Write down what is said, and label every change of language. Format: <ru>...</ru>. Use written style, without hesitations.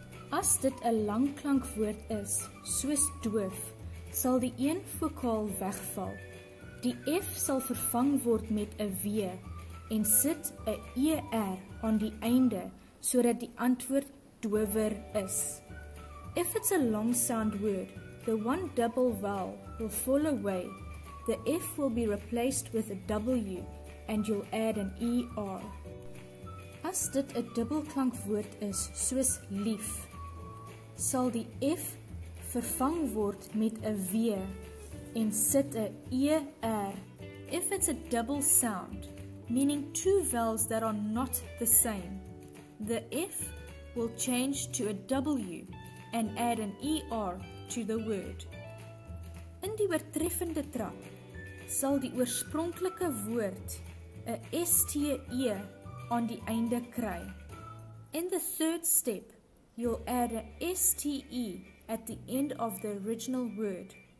<af>As dit 'n langklankwoord is, soos doof, sal die een vokaal wegval. Die F sal vervang word met 'n W en sit 'n ER aan die einde, sodat die antwoord dower is.</af> <en>If it's a long sound word, the one double vowel will fall away. The F will be replaced with a W and you'll add an ER.</en> <af>As dit 'n dubbelklankwoord is, soos lief, sal die F vervang word met 'n W en sit 'n ER.</af> <en>If it's a double sound, meaning two vowels that are not the same, the F will change to a W and add an ER to the word.</en> <af>In die oortreffende trap sal die oorspronklike woord 'n STE aan die einde kry.</af> <en>In the third step, you'll add a STE at the end of the original word.</en>